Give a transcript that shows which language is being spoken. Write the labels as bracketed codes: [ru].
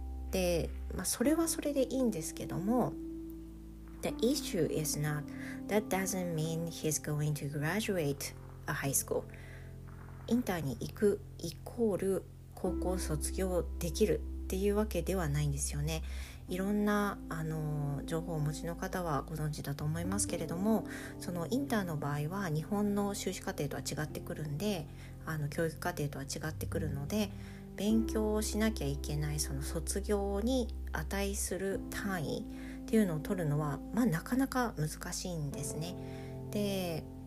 [ja] で、まあ、それはそれでいいんですけども、 [en] The issue is not that doesn't mean he's going to graduate a high school. [ja] インターに行くイコール高校卒業できるっていうわけではないんですよね。いろんな情報をお持ちの方はご存知だと思いますけれども、そのインターの場合は日本の修士課程とは違ってくるんで、教育課程とは違ってくるので、勉強をしなきゃいけないその卒業に値する単位っていうのを取るのは、まあ、なかなか難しいんですね。で、